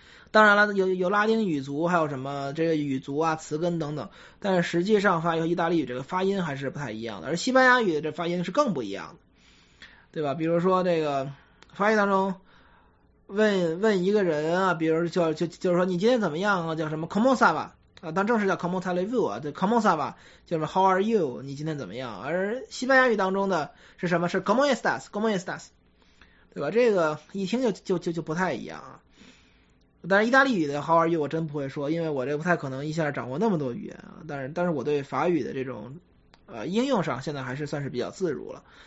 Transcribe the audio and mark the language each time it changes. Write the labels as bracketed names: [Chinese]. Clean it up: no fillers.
[Chinese] 当然了，有拉丁语族，还有什么这个语族啊、词根等等，但是实际上法语和意大利语这个发音还是不太一样的，而西班牙语的这发音是更不一样的，对吧？比如说这个法语当中问一个人啊，比如就是说你今天怎么样啊？叫什么 ？ [French] Comment ça va [Chinese] 啊？当正式叫 [French] Comment allez-vous [Chinese] 啊？对 ， [French] Comment ça va [Chinese] 就是 [English] How are you？ [Chinese] 你今天怎么样？而西班牙语当中的是什么？ [Spanish] 是 Comment estás？Comment estás？ 对吧？ [Chinese] 这个一听就不太一样啊。但是意大利语的 How are you 我真不会说，因为我这不太可能一下掌握那么多语言啊。但是我对法语的这种应用上现在还是算是比较自如了。